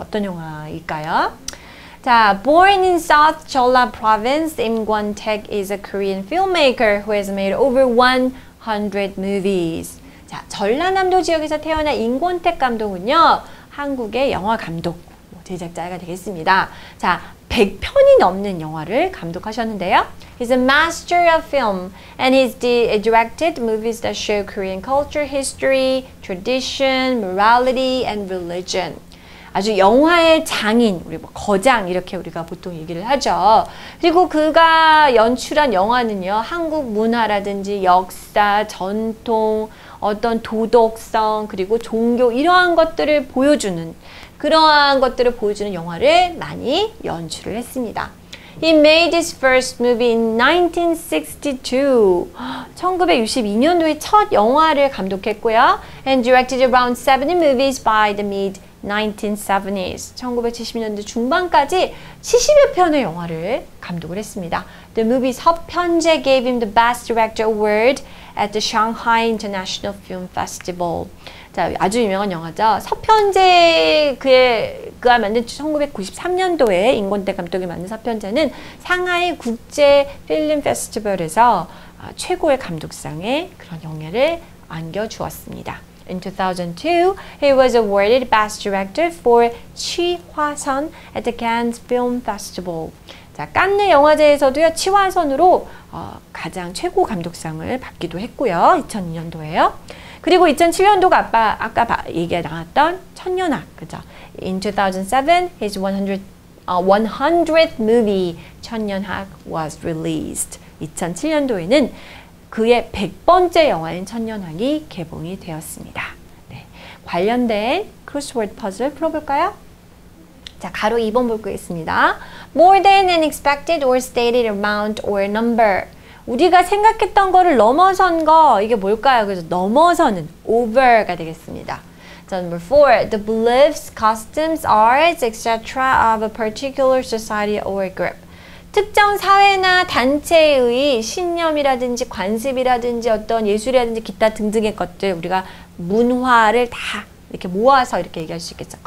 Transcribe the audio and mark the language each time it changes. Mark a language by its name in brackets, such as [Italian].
[Korean] 어떤 영화일까요? 자, [English] born in South Jeolla province, Im Kwon-taek is a Korean filmmaker who has made over 100 movies. [Korean] 자, 전라남도 지역에서 태어난 임권택 감독은요. 한국의 영화 감독, 제작자가 되겠습니다. 자, 100편이 넘는 영화를 감독하셨는데요. [English] He's a master of film and he's directed movies that show Korean culture, history, tradition, morality, and religion. [Korean] 아주 영화의 장인, 우리 뭐 거장 이렇게 우리가 보통 얘기를 하죠. 그리고 그가 연출한 영화는요. 한국 문화라든지 역사, 전통, 어떤 도덕성, 그리고 종교 이러한 것들을 보여주는 그러한 것들을 보여주는 영화를 많이 연출을 했습니다. [English] He made his first movie in 1962. [Korean] 1962년도에 첫 영화를 감독했고요. [English] And directed around 70 movies by the mid 1970s. [Korean] 1970년대 중반까지 70여 편의 영화를 감독을 했습니다. [English] The movie's 협편제 gave him the Best Director Award at the Shanghai International Film Festival. [Korean] 자, 아주 유명한 영화죠. 서편제 그가 만든 1993년도에 임권택 감독이 만든 서편제는 상하이 국제 필름 페스티벌에서 최고의 감독상의 그런 영예를 안겨주었습니다. [English] In 2002, he was awarded Best Director for 취화선 at the Cannes Film Festival. [Korean] 자, 깐느 영화제에서도요, 취화선으로 가장 최고 감독상을 받기도 했고요. 2002년도에요. 그리고 2007년도가 아까 얘기가 나왔던 천년학, 그죠? [English] In 2007, his 100th movie, 천년학, was released. [Korean] 2007년도에는 그의 100번째 영화인 천년학이 개봉이 되었습니다. 네. 관련된 크로스워드 퍼즐 풀어볼까요? 자, 가로 2번 볼겠습니다. [English] More than an expected or stated amount or number. [Korean] 우리가 생각했던 거를 넘어선 거, 이게 뭘까요? 그래서 넘어서는 over가 되겠습니다. [English] So number four, the beliefs, customs, arts, etc. of a particular society or group. [Korean] 특정 사회나 단체의 신념이라든지 관습이라든지 어떤 예술이라든지 기타 등등의 것들, 우리가 문화를 다 이렇게 모아서 이렇게 얘기할 수 있겠죠.